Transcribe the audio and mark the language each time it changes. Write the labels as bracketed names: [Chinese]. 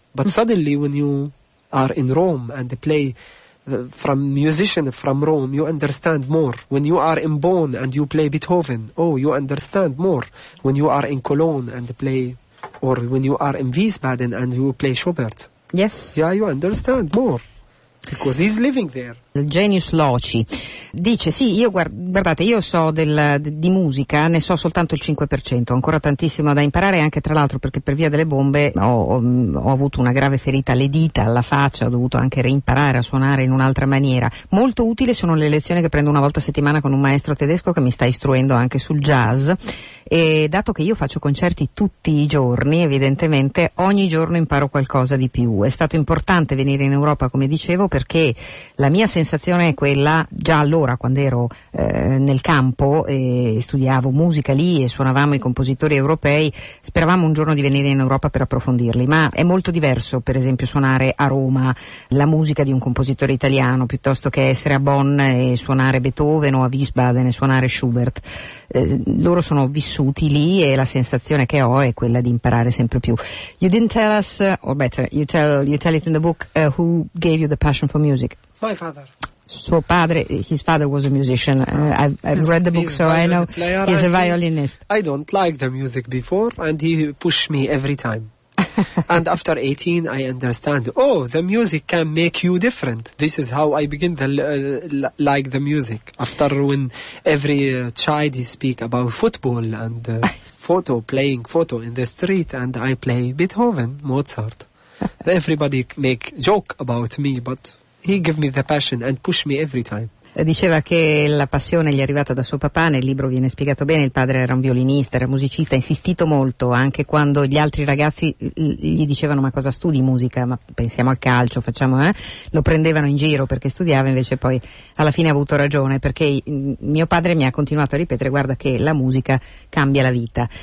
[English] But suddenly, when you are in Rome and play from musician from Rome, you understand more. When you are in Bonn and you play Beethoven, you understand more. When you are in Cologne and play, or when you are in Wiesbaden and you play Schubert, yes, yeah, you understand more. Because he's living there. Genius loci. [Italian] dice sì, io guardate, io so di musica, ne so soltanto il 5%, ho ancora tantissimo da imparare, anche tra l'altro perché per via delle bombe ho avuto una grave ferita alle dita, alla faccia, ho dovuto anche reimparare a suonare in un'altra maniera. Molto utile sono le lezioni che prendo una volta a settimana con un maestro tedesco che mi sta istruendo anche sul jazz, e dato che io faccio concerti tutti i giorni, evidentemente ogni giorno imparo qualcosa di più. È stato importante venire in Europa, come dicevo, perché la mia sensazione è quella, già allora quando ero nel campo e studiavo musica lì e suonavamo i compositori europei, speravamo un giorno di venire in Europa per approfondirli, ma è molto diverso per esempio suonare a Roma la musica di un compositore italiano piuttosto che essere a Bonn e suonare Beethoven, o a Wiesbaden e suonare Schubert. Loro sono vissuti lì e la sensazione che ho è quella di imparare sempre più. [English] You didn't tell us, or better, you tell it in the book, who gave you the passion for music? My father. [Italian] Suo padre, [English] his father was a musician. I've read the book, so I know he's a violinist. I don't like the music before, and he pushed me every time. And after 18, I understand, oh, the music can make you different. This is how I begin to like the music. After when every child speak about football and photo in the street, and I play Beethoven, Mozart. Everybody make joke about me, but he give me the passion and push me every time. [Italian] Diceva che la passione gli è arrivata da suo papà, nel libro viene spiegato bene, il padre era un violinista, era musicista, ha insistito molto anche quando gli altri ragazzi gli dicevano ma cosa studi musica, ma pensiamo al calcio, lo prendevano in giro perché studiava, invece poi alla fine ha avuto ragione, perché mio padre mi ha continuato a ripetere guarda che la musica cambia la vita.